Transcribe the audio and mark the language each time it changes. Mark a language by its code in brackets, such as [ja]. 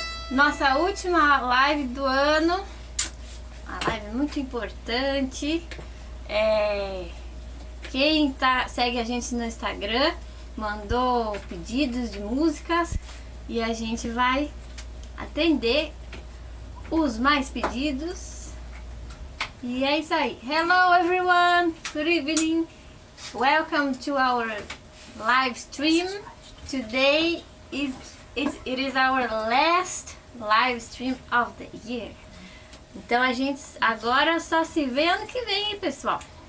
[pt] Nossa última live do ano, uma live muito importante. É, quem tá, segue a gente no Instagram, mandou pedidos de músicas e a gente vai atender os mais pedidos. E é isso aí. [en] Hello everyone, good evening, welcome to our live stream. Today it is our last live stream of the year. [pt] Então a gente agora só se vê ano que vem, hein, pessoal.